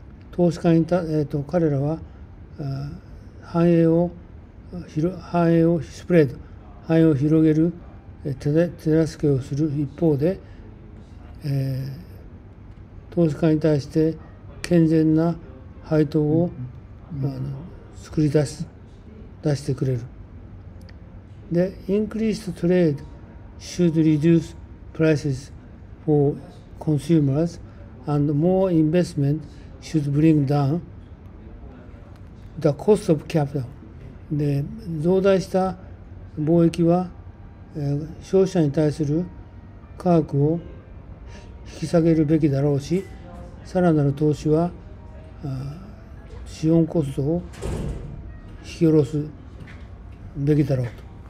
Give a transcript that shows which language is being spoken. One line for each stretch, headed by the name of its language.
Japanese: 投資家にた、彼らは繁栄を広、繁栄をスプレッド、繁栄を広げる手助けをする一方で、投資家に対して健全な配当を、うん、作り出す、出してくれる。
English: で、increased trade should reduce prices for consumers and more investment should bring down the cost of capital.
Japanese: で、増大した貿易は、消費者に対する価格を引き下げるべきだろうし、さらなる投資は、資本コストを引き下ろすべきだろうと。